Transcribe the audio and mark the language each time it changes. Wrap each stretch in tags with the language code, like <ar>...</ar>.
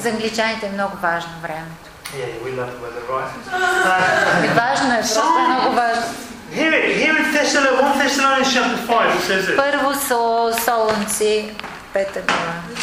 <bg>За англичаните е много важно времето.</bg> <en>Yeah, we love the weather, right?</en> <bg>Важно е, просто е много важно.</bg> <en>Here in Thessalonians chapter 5 it says it.</en> <bg>Първо Солунци, пета глава.</bg>